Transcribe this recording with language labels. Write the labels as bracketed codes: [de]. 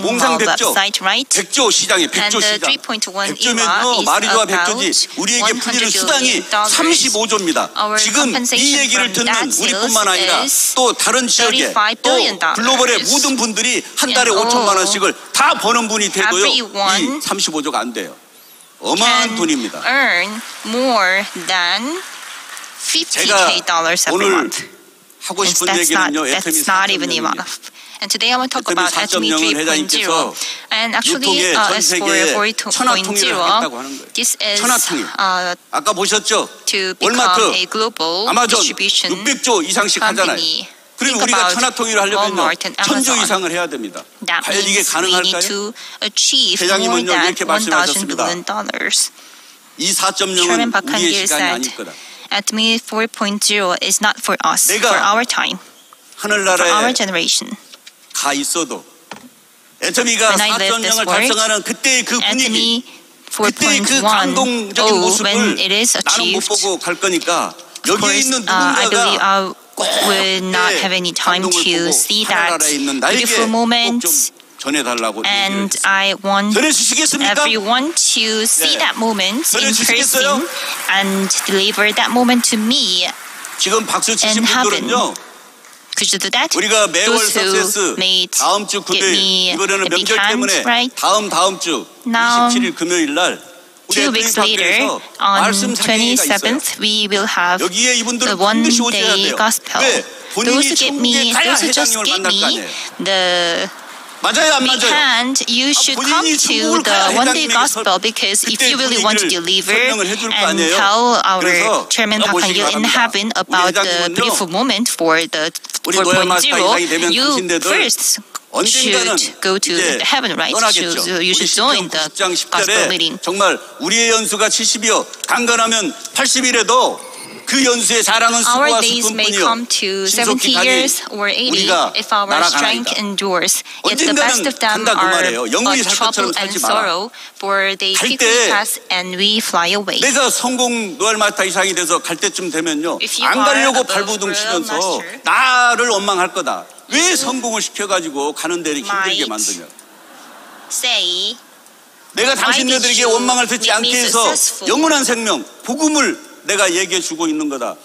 [ko] 몽상 100조. 100조 시장이 100조 시장. 100조면요. 말이 좋아 100조지. 우리에게 풀리는 수당이 35조입니다. 지금 이 얘기를 듣는 우리뿐만 아니라 또 다른 지역에 또 글로벌의 모든 분들이 한 달에 5천만 원씩을 다 버는 분이 되고요. 이 35조가 안 돼요. 어마어마한 돈입니다. [en] Earn more than $50,000 every month. [ko] 하고 싶은 얘기는요. 애터미 3.0입니다. [en] And today I want to talk about Atomy 3.0. And actually, as for 4.0, this is [ko] 아까 보셨죠? [en] To become a global distribution company. [ko] 그리고 우리가 천하통일을 하려면 천조 이상을 해야 됩니다. 과연 이게 가능할까요? 회장님은요 이렇게 말씀하셨습니다. 이 4.0은 우리의 시간이 아닐 거다. [en] Atomy 4.0 is not for us, for our time, for our generation. [ko] 가 있어도 애터미가 4.0을 달성하는 그때의 그 분위기, 그때의 그 감동적인 모습을 나는 못 보고 갈 거니까 여기에 있는 누군가가 [en] Would not have any time to see that beautiful moment. And I want everyone to see that moment in person and deliver that moment to me. [ko] 지금 박수 치신 분들은요. [en] Could you do that? [ko] 우리가 매월 서비스 다음 주 금요일 이번에는 명절 때문에 다음 주 27일 금요일 날. [en] Two weeks later, on 27th, we will have the one-day gospel. Those who just get me, the [ko] 맞아요, [en] big [ko] 맞아요. [en] hand, you should come to the one-day gospel because if you really want to deliver and tell our chairman Park Han-gil in heaven about the beautiful moment for the 4.0, you first should go to heaven, right? You should join the gospel meeting. [ko] 정말 우리의 연수가 70이요 강건하면 80이라도 그 연수에 자랑은 [en] our days may come to 70 years or 80 if our strength endures. Yet the best of them are a trouble and sorrow, for they quickly pass and we fly away. [ko] 내가 성공 노알마타 이상이 돼서 갈 때쯤 되면요, 안 가려고 발부둥 치면서 나를 원망할 거다. 왜 성공을 시켜가지고 가는 데를 힘들게 만드냐? [en] Say. [ko] 내가 당신들에게 원망을 듣지 않게 해서 영원한 생명, 복음을 내가 얘기해 주고 있는 거다.